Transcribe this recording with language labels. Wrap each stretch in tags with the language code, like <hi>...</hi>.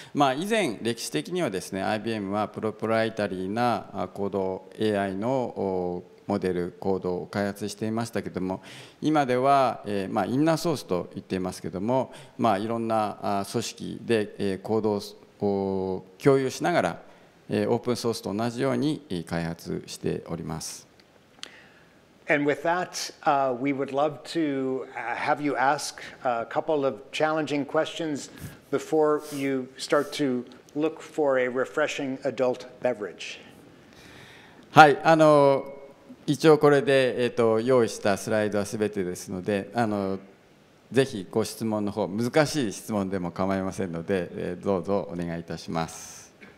<ja>まあ、以前、歴史的にはですね、IBM はプロプライタリーなコード AI のモデル、コードを開発していましたけども、今では、まあ、インナーソースと言っていますけども、まあ、いろんな組織でコードを共有しながら、オープンソースと同じように開発しております。</ja> <en>And with that, we would love to have you ask a couple of challenging questions before you start to look for a refreshing adult beverage.</en> <ja>はい、あの、一応これで、用意したスライドは全てですので、あの、ぜひご質問の方、難しい質問でも構いませんので、どうぞお願いいたします。</ja>